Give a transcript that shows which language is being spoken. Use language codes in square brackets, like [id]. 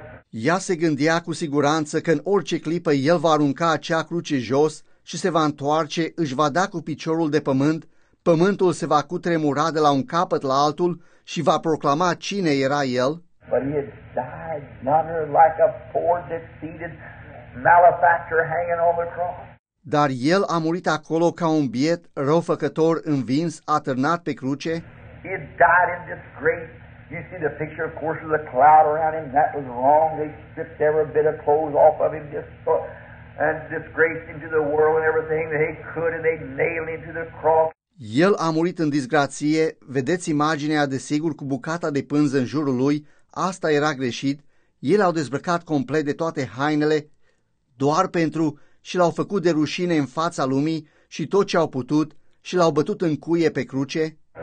[ro] Ea se gândea cu siguranță că în orice clipă el va arunca acea cruce jos și se va întoarce, își va da cu piciorul de pământ, pământul se va cutremura de la un capăt la altul și va proclama cine era el. [en] But he had died not like a poor defeated malefactor hanging on the cross. [ro] Dar el a murit acolo ca un biet răufăcător învins, atârnat pe cruce. [en] He had died in disgrace. You see the picture, of course, of the cloud around him. That was wrong. They stripped every bit of clothes off of him and disgraced him to the world and everything that they could, and they nailed him to the cross. [ro] El a murit în disgrație. Vedeți imaginea, desigur, cu bucata de pânză în jurul lui. Asta era greșit. El l-au dezbrăcat complet de toate hainele doar pentru și l-au făcut de rușine în fața lumii și tot ce au putut și l-au bătut în cuie pe cruce.